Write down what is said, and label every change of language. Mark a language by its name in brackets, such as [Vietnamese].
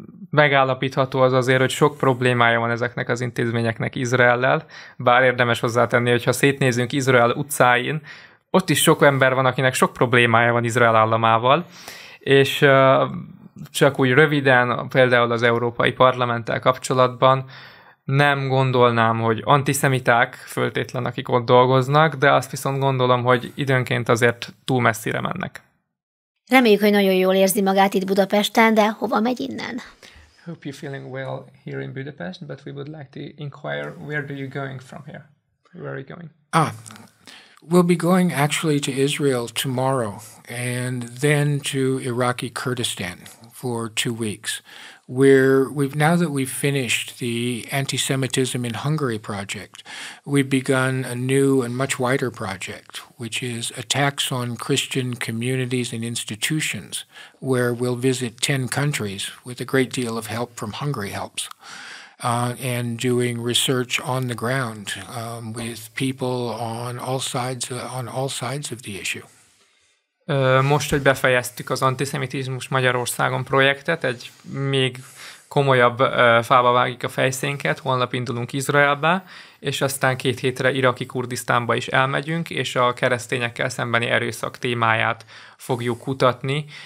[Hungarian] megállapítható az azért, hogy sok problémája van ezeknek az intézményeknek Izraellel, bár érdemes hozzátenni, hogyha szétnézünk Izrael utcáin, ott is sok ember van, akinek sok problémája van Izrael államával, és csak úgy röviden, például az Európai Parlamenttel kapcsolatban nem gondolnám, hogy antiszemiták föltétlen, akik ott dolgoznak, de azt viszont gondolom, hogy időnként azért túl messzire mennek. Reméljük, hogy nagyon jól érzi magát itt Budapesten, de hova megy innen? [English] Hope you're feeling well here in Budapest, but we would like to inquire, where are you going from here? Where are you going? We'll be going actually to Israel tomorrow, and then to Iraqi Kurdistan for 2 weeks. Now that we've finished the Antisemitism in Hungary project, we've begun a new and much wider project, which is attacks on Christian communities and institutions, where we'll visit 10 countries with a great deal of help from Hungary helps, and doing research on the ground with people on all sides of the issue. [Hungarian] Most, hogy befejeztük az antiszemitizmus Magyarországon projektet, egy még komolyabb fába vágik a fejszénket, holnap indulunk Izraelbe, és aztán 2 hétre iraki Kurdisztánba is elmegyünk, és a keresztényekkel szembeni erőszak témáját fogjuk kutatni.